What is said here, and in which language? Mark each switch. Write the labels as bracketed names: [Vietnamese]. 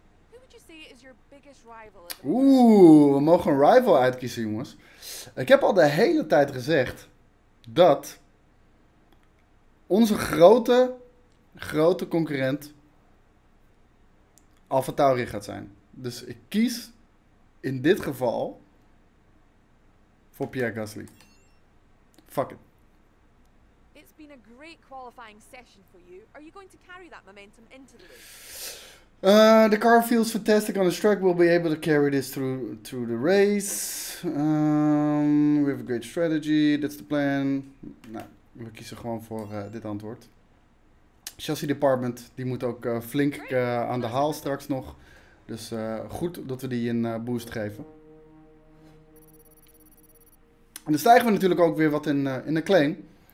[English] Who would you say is your biggest rival? [Dutch] Oeh, we mogen een rival uitkiezen, jongens. Ik heb al de hele tijd gezegd dat onze grote, grote concurrent AlphaTauri gaat zijn. Dus ik kies in dit geval voor Pierre Gasly. [English] Fuck it. It's been a great qualifying session for you. Are you going to carry that momentum into the race? The car feels fantastic on the track. We'll be able to carry this through the race. We have a great strategy. That's the plan. [Dutch] Nou, we kiezen gewoon voor dit antwoord. Chassis department, die moet ook flink aan de haal straks nog. Dus goed dat we die een boost geven. En dan stijgen we natuurlijk ook weer wat in de claim.